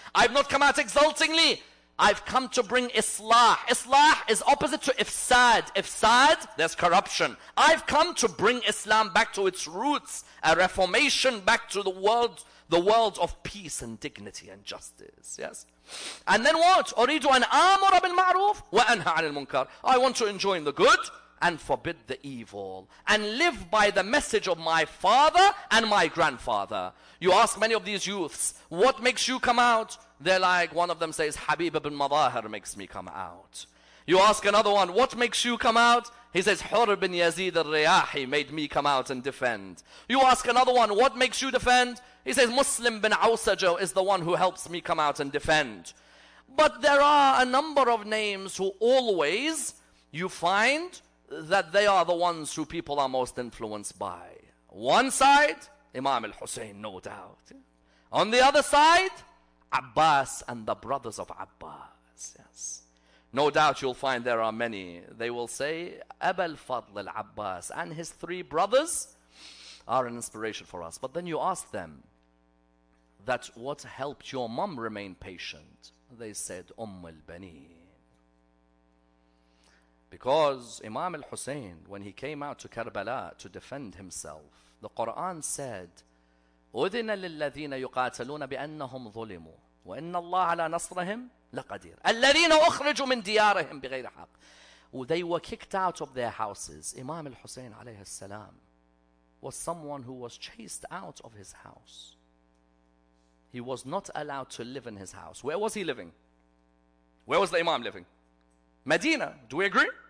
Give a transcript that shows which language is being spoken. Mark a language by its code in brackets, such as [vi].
[en] I have not come out exultingly. I've come to bring islah. Islah is opposite to ifsad. Ifsad, there's corruption. I've come to bring Islam back to its roots, a reformation back to the world of peace and dignity and justice. Yes? And then what? [ar] أريد أن آمر بالمعروف وأنهى عن المنكر. [en] I want to enjoin the good and forbid the evil, and live by the message of my father and my grandfather. You ask many of these youths, what makes you come out? They're like, one of them says, Habib ibn Madahir makes me come out. You ask another one, what makes you come out? He says, Hur ibn Yazid al-Riyahi made me come out and defend. You ask another one, what makes you defend? He says, Muslim bin Awsajo is the one who helps me come out and defend. But there are a number of names who always you find that they are the ones who people are most influenced by. One side, Imam al-Hussein, no doubt. On the other side, Abbas and the brothers of Abbas. Yes, no doubt you'll find there are many. They will say, Aba al-Fadl al-Abbas and his three brothers are an inspiration for us. But then you ask them, that what helped your mom remain patient? They said, Umm al-Baneen. Because Imam al-Hussein, when he came out to Karbala to defend himself, the Quran said, [ar] أُذِنَ لِلَّذِينَ يُقَاتَلُونَ بِأَنَّهُمْ ظُلِمُوا وَإِنَّ اللَّهَ عَلَى نَصْرَهِمْ لَقَدِيرٌ الَّذِينَ أُخْرِجُوا مِنْ دِيَارِهِمْ بِغَيْرِ حَقٍ. [en] They were kicked out of their houses. Imam al-Hussein alayhi salam was someone who was chased out of his house. He was not allowed to live in his house. Where was he living? Where was the Imam living? Medina. Do we agree?